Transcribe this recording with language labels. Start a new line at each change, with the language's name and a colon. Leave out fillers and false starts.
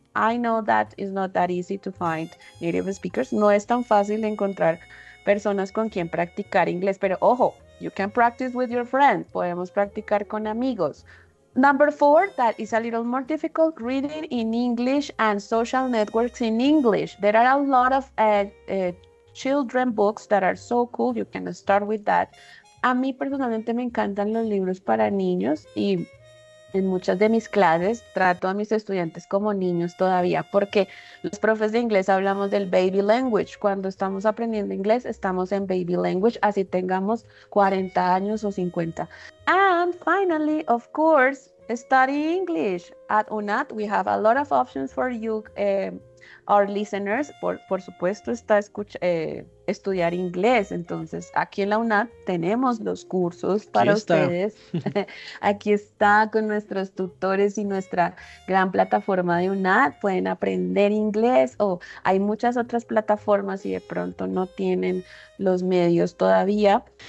English: I know that is not that easy to find native speakers.
Spanish: No es tan fácil encontrar personas con quien practicar inglés. Pero ojo,
English: you can practice with your friends.
Spanish: Podemos practicar con amigos.
English: Number four, that is a little more difficult, reading in English and social networks in English. There are a lot of children books that are so cool. You can start with that.
Spanish: A mí personalmente me encantan los libros para niños y en muchas de mis clases trato a mis estudiantes como niños todavía, porque los profes de inglés hablamos del baby language. Cuando estamos aprendiendo inglés, estamos en baby language, así tengamos 40 años o 50.
English: And finally, of course, study English. At UNAT, we have a lot of options for you, our listeners.
Spanish: Por supuesto, está estudiar inglés. Entonces, aquí en la UNAT tenemos los cursos para ustedes. Aquí está con nuestros tutores y nuestra gran plataforma de UNAT. Pueden aprender inglés o hay muchas otras plataformas y de pronto no tienen los medios todavía.